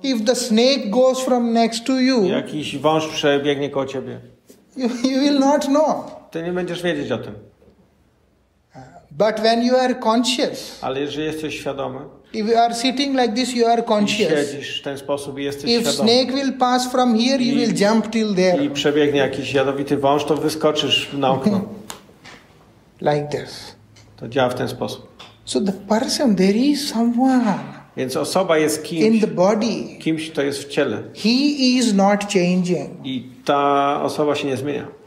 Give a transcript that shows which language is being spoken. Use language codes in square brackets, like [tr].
[en] If the snake goes from next to you. [pl] Jakiś wąż przebiegnie koło ciebie. [en] You will not know. [pl] Ty nie będziesz wiedzieć o tym. [en] But when you are conscious. [pl] Ale jeżeli jesteś świadomy. [en] If you are sitting like this, you are conscious. [pl] Siedzisz w ten sposób i jesteś [en] If [pl] świadomy. [en] Snake will pass from here, you will jump till there. [pl] I przebiegnie jakiś jadowity wąż, to wyskoczysz na okno. [en] Like this. [pl] To działa w ten sposób. [en] So the person, there is someone. [pl] Więc osoba jest kimś. [en] In the body. [pl] Kimś, kto jest w ciele. [en] He is not changing. [pl] I ta osoba się nie zmienia.